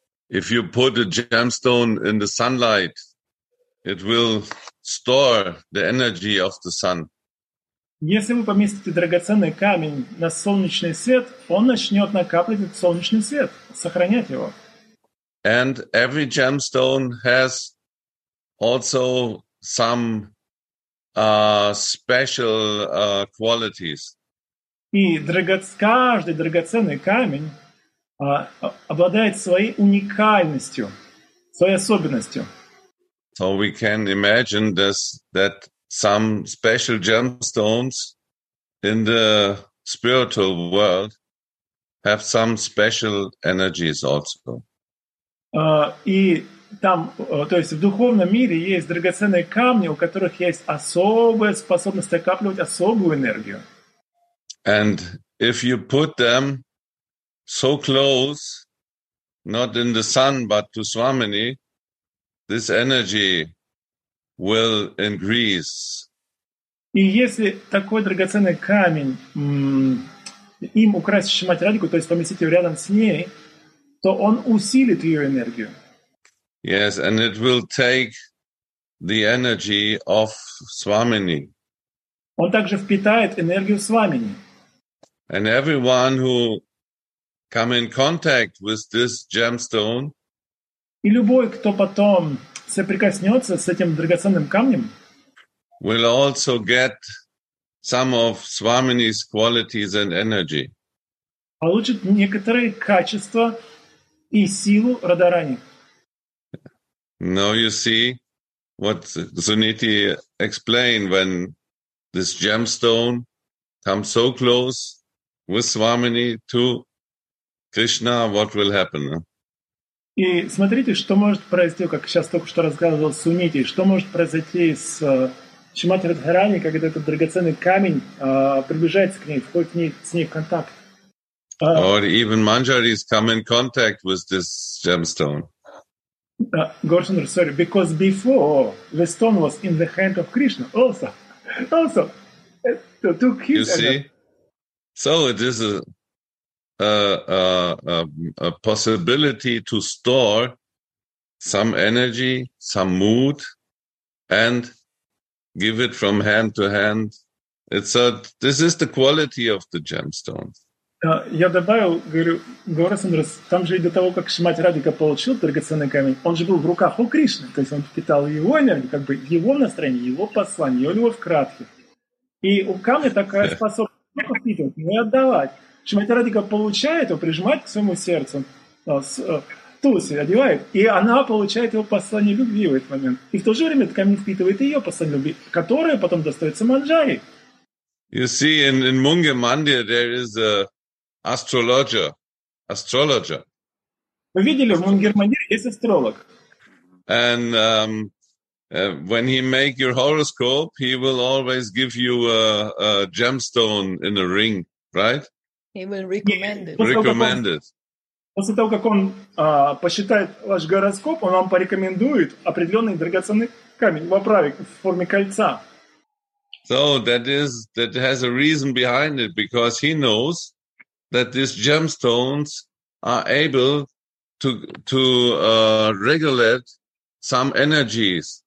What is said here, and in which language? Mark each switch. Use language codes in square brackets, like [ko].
[en] If you put a gemstone in the sunlight, it will store the energy of the sun. [ru] Если вы поместите драгоценный камень на солнечный свет, он начнет накапливать этот солнечный свет, сохранять его. [en] And every gemstone has also some special qualities. [ru] И каждый драгоценный камень обладает своей уникальностью, своей особенностью. [en] So we can imagine this, that some special gemstones in the spiritual world have some special energies also. [ru] То есть в духовном мире есть драгоценные камни, у которых есть особая способность накапливать особую энергию. [en] And if you put them so close, not in the sun, but to Swamini, this energy will increase. [ru] И если такой драгоценный камень им украсить Шримати Радику, то есть поместить его рядом с ней, то он усилит ее энергию. [en] Yes, and it will take the energy of Swamini. [ru] Он также впитает энергию Свамини. [en] And everyone who come in contact with this gemstone, [ru] и любой, кто потом соприкоснется с этим драгоценным камнем, [en] will also get some of Swamini's qualities and energy. [ru] Получит некоторые качества и силу Радарани. [en] Now you see what Suniti explained when this gemstone comes so close with Swamini to Krishna, what will happen? [ru] И смотрите, что может произойти, как сейчас только что рассказывал Суните, что может произойти с Шримати Радхарани, когда этот драгоценный камень приближается к ней, входит с ней в контакт. [en] Or even Manjaris come in contact with this gemstone. Gaurasundar, sorry, because before the stone was in the hand of Krishna also. It took his you see? So it is a possibility to store some energy, some mood, and give it from hand to hand. This is the quality of the gemstone. [ru] Я добавил, говорю, Gaurasundar, там же и до того, как Шримати Радика получил драгоценный камень, он же был в руках у Кришны, то есть он впитал его энергию, как бы его настроение, его послание, его любовь к Радхе. И у камня такая способность не впитывать, не отдавать. Шримати Радика получает его, прижимает к своему сердцу, туси одевает, и она получает его послание любви в этот момент. И в то же время камень впитывает ее послание любви, которое потом достается Манджари. [en] You see, in Munge Mandir there is a astrologer. [ru] Вы видели, в Мунгер Мандире есть астролог. [en] And when he make your horoscope, he will always give you a gemstone in a ring, right? He will recommend it. [ru] После того, как он посчитает ваш гороскоп, он вам порекомендует определенный драгоценный камень в оправе в форме кольца. [en] So that has a reason behind it, because he knows that these gemstones are able to regulate some energies.